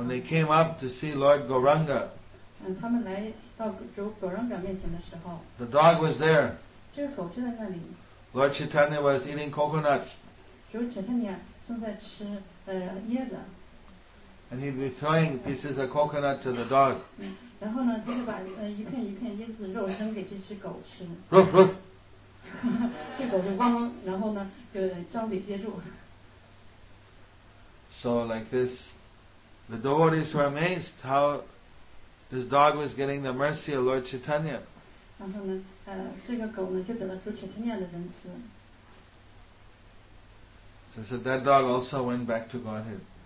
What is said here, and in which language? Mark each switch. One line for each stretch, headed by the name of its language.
English: When they came up to see Lord Gauranga,
Chinese: 他们来到主 Gauranga 面前的时候，
English: the dog was there.
Chinese: 这个狗就在那里。
English: Lord Chaitanya was eating coconut.
Chinese: 主 Chaitanya 正在吃椰子。
English: And he'd be throwing pieces of coconut to the dog.
Chinese: 然后呢，他就把一片一片椰子肉扔给这只狗吃。
English: Roof, roof.
Chinese: 这狗就汪，然后呢就张嘴接住。
English: So like this, the devotees were amazed how this dog was getting the mercy of Lord Chaitanya. And then, So I said, that dog also went back to Godhead.